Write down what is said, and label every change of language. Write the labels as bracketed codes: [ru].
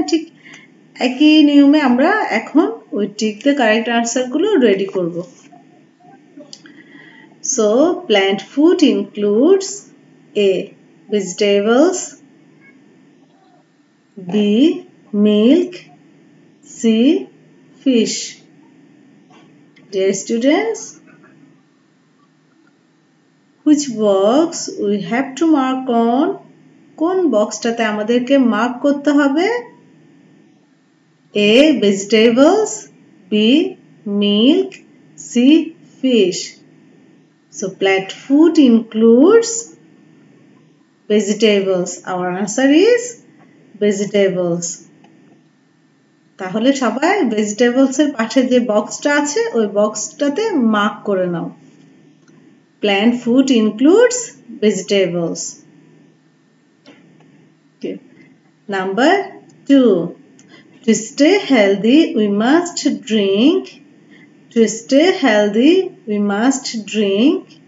[bn] ঠিক একই নিয়মে আমরা এখন ওই [en] tick the correct আনসারগুলো [bn] রেডি করব। [en] So plant food includes A vegetables, B milk, C fish. Dear students, which box we have to mark on? [bn] Kon box tate amaderke mark korte hobe? [en] A vegetables, B milk, C fish. So plant food includes vegetables. Our answer is vegetables. [bn] তাহলে সবাই ভেজিটেবলসের পাশে যে বক্সটা আছে ওই বক্সটাতে mark করে নাও। [en] Plant food includes vegetables. Number two, to stay healthy we must drink, to stay healthy we must drink.